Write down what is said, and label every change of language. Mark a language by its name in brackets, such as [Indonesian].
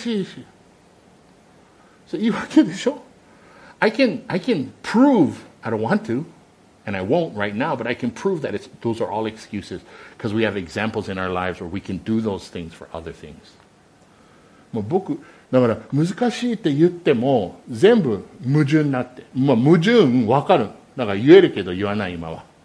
[Japanese] 祈るのも難しいし、神様にベスト捧げるの難しいし、そう言い訳でしょ? [English] I can prove I don't want to, and I won't right now, but I can prove that those are all excuses because we have examples in our lives where we can do those things for other things. [Japanese] もう僕だから難しいって言っても全部矛盾になって、まあ矛盾わかる、だから言えるけど言わない今は。